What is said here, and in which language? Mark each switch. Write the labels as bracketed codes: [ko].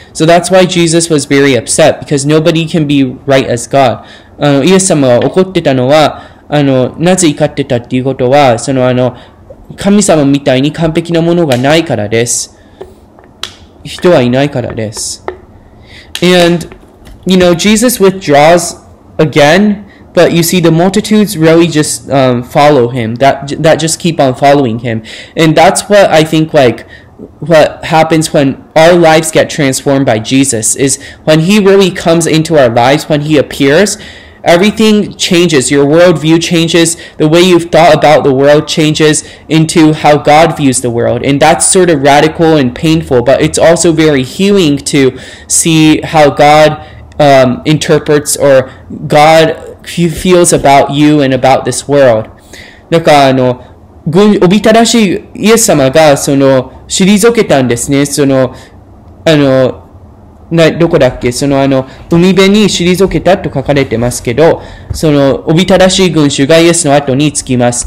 [en] So that's why Jesus was very upset, because nobody can be right as God. [ja] あのイエス様が怒ってたのは、あのなぜ怒ってたっていうことは、そのあの神様みたいに完璧なものがないからです。人はいないからです。 [en] And you know, Jesus withdraws again, but you see the multitudes really just follow him, that just keep on following him. And that's what I think, like, what happens when our lives get transformed by Jesus, is when he really comes into our lives, when he appearsEverything changes. Your worldview changes. The way you've thought about the world changes into how God views the world. And that's sort of radical and painful, but it's also very healing to see how God interprets or God feels about you and about this world. [ja] だからあの、おびただしいイエス様がその、退けたんですね。その、あの、どこだっけ、そのあの海辺に退けたと書かれてますけど、そのおびただしい群衆がイエスの後につきます。